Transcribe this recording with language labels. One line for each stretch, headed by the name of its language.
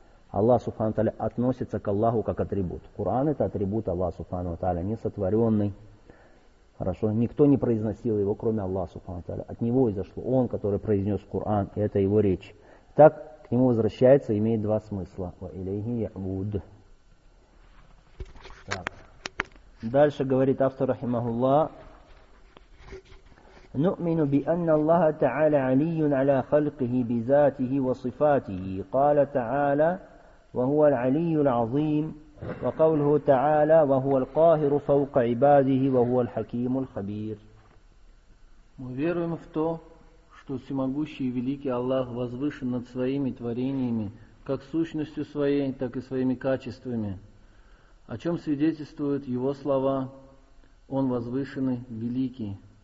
Russian: Аллах Субхану Тааля относится к Аллаху как атрибут. Коран это атрибут Аллаха Субхану Тааля, несотворенный. Хорошо, никто не произносил его, кроме Аллаха Субхану Тааля. От него изошло. Он, который произнес Коран, и это его речь. Так к нему возвращается, имеет два смысла.
Arabic: Илейхи Яуд.
Russian: Так. Дальше говорит автор рахимахулла:
Arabic: نؤمن بأن الله تعالى علي على خلقه بذاته وصفاته. قال تعالى: وهو العلي العظيم. وقوله تعالى: وهو القاهر فوق عباده وهو الحكيم الخبير.
Russian: Мы веруем в то, что всемогущий и великий Аллах возвышен над своими творениями как сущностью своей, так и своими качествами. О чем свидетельствуют его слова: «Он возвышенный, великий».